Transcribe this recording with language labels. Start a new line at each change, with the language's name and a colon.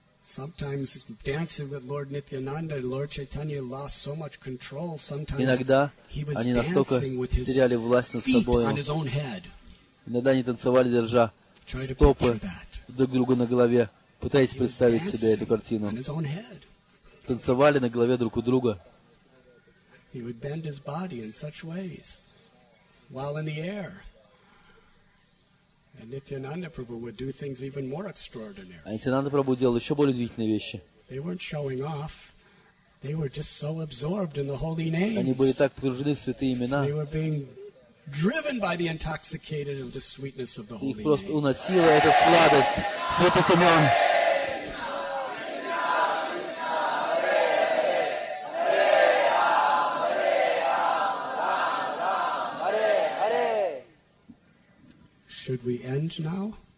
English: Sometimes dancing with Lord Nityananda, Lord Chaitanya lost so much control. Sometimes
Russian: иногда
English: he was
Russian: они настолько теряли власть над собой.
English: On his own head.
Russian: Иногда они танцевали, держа стопы друг друга на голове, пытаясь представить себе эту картину. Танцевали на голове друг у друга.
English: He would bend his body in such ways while in the air. And Nityananda Prabhu would do things even more extraordinary.
Russian: А Нитьянанда Прабху делал еще более удивительные вещи.
English: They weren't showing off. They were just so absorbed in the holy names.
Russian: Они были так погружены в святые имена.
English: They were being driven by the intoxicated of the sweetness of the holy
Russian: name. Их просто уносила эта сладость святых имен.
English: Should we end now?